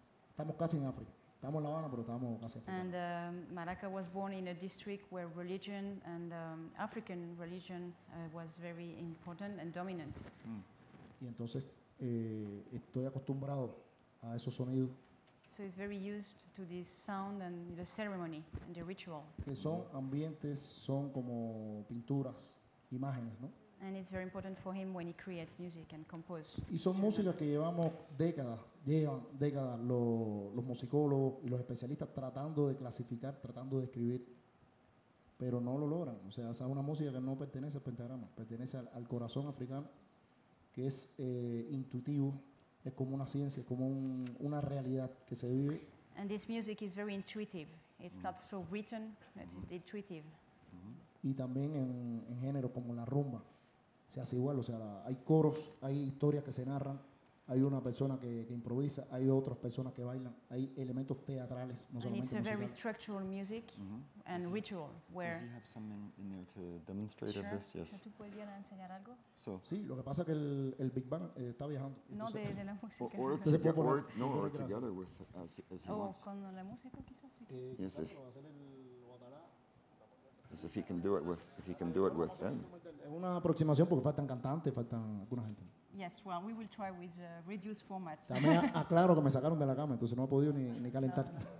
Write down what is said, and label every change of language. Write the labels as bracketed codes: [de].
[es] Estamos casi en África. Estamos en La Habana, pero estamos casi en África. [en] And Maraca was born in a district where religion and African religion was very important and dominant. Mm. [es] Y entonces estoy acostumbrado a esos sonidos. [en] So it's very used to this sound and the ceremony and the ritual. [es] Que son ambientes, son como pinturas, imágenes, ¿no? [en] And it's very important for him when he creates music and compose. [es] Y son músicas que llevan décadas los musicólogos y los especialistas tratando de clasificar, tratando de escribir, pero no lo logran. O sea, esa es una música que no pertenece al pentagrama, pertenece al corazón africano, que es intuitivo, es como una ciencia, es como una realidad que se vive. [en] And this music is very intuitive. It's not so written, but it's intuitive. [es] Y también en géneros como la rumba. se hace igual, o sea, hay coros, hay historias que se narran, hay una persona que improvisa, hay otras personas que bailan, hay elementos teatrales, no solamente musicales. [en] And it's a very structural music and ritual where... Does he have something in there to demonstrate of this? Yes. [es] ¿Tú podrías enseñar algo? [en] So. [es] Sí, lo que pasa es que el Big Bang está viajando. No, de la música. [en] Or together with, as he wants. [es] Oh, con la música quizás. [en] Yes, if... As if he can do it with, if he can do it with them. [es] Una aproximación porque faltan cantantes, faltan alguna gente. [en] Yes, well, we will try with a reduced format. [es] También aclaro que me sacaron de la cama, entonces no he podido ni calentar.